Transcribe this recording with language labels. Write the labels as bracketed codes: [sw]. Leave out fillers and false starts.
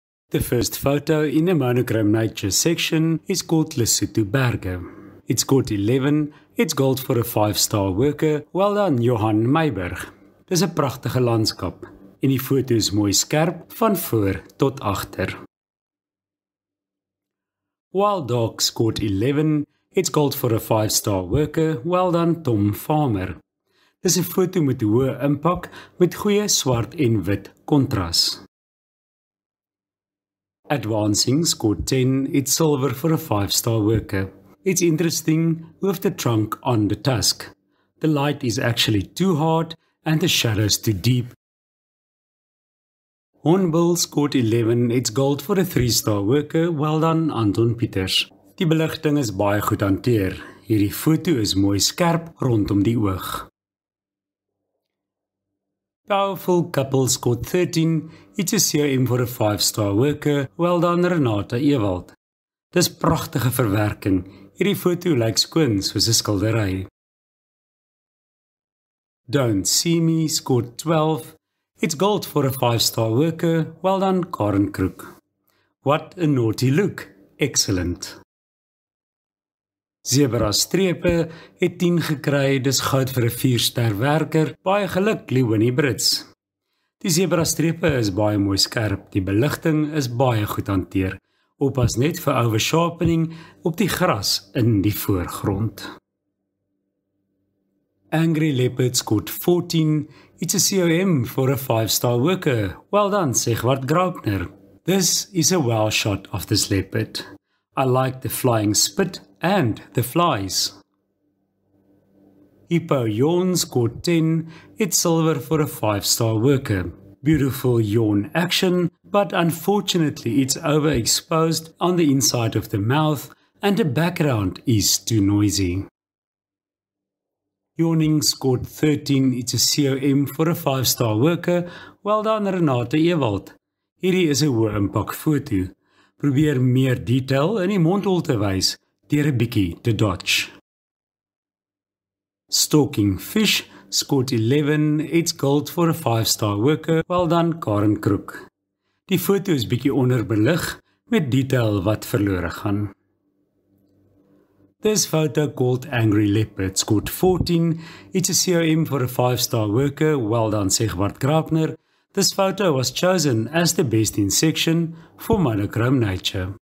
[en] The first photo in the monochrome nature section is called Lesotho Berge. It's got 11, it's gold for a 5-star worker, well done Johan Meiberg. [af] Dis 'n pragtige landskap en die foto is mooi skerp van voor tot agter. [en] Wild Dog scored 11, it's gold for a 5-star worker, well done Tom Farmer. [af] Dis 'n foto met hoë impak met goeie swart en wit kontras. [en] Advancing scored 10, it's silver for a 5-star worker. It's interesting with the trunk on the tusk. The light is actually too hard and the shadows too deep. Hornbill scored 11, it's gold for a 3-star worker, well done Anton Pieters. [af] Die beligting is baie goed hanteer. Hierdie foto is mooi skerp rondom die oog. [en] Powerful couple scored 13, it's a CRM for a 5-star worker, well done Renata Ewald. [af] Dis pragtige verwerking, hierdie foto lyk skoon soos 'n skildery. [en] Don't See Me scored 12, it's gold for a 5-star worker, well done Karen Kroek. What a naughty look, excellent. [af] Zebra Strepe het 10 gekry, dis goud vir 'n 4-ster werker, baie geluk Leonie Brits. Die Zebra Strepe is baie mooi skerp, die beligting is baie goed hanteer. Oppas net vir oversharpening op die gras in die voorgrond. [en] Angry Leopard scored 14, it's a COM for a 5-star worker, well done Segwart Graupner. This is a well shot of this leopard. I like the flying spit and the flies. Hippo Yawn scored 10, it's silver for a 5-star worker. Beautiful yawn action, but unfortunately it's overexposed on the inside of the mouth and the background is too noisy. Yawning scored 13, it's a COM for a 5-star worker, well done Renate Ewald. [af] Hierdie is 'n hoë impak foto. Probeer meer detail in die mondhol te wys deur 'n bietjie te dodge. [en] Stalking Fish scored 11, it's gold for a 5-star worker, well done Karen Kroek. [af] Die foto is bietjie onderbelig met detail wat verlore gaan. [en] This photo called Angry Leopard scored 14, it's a COM for a 5-star worker, well done Segwart Graupner. This photo was chosen as the best in section for Monochrome Nature.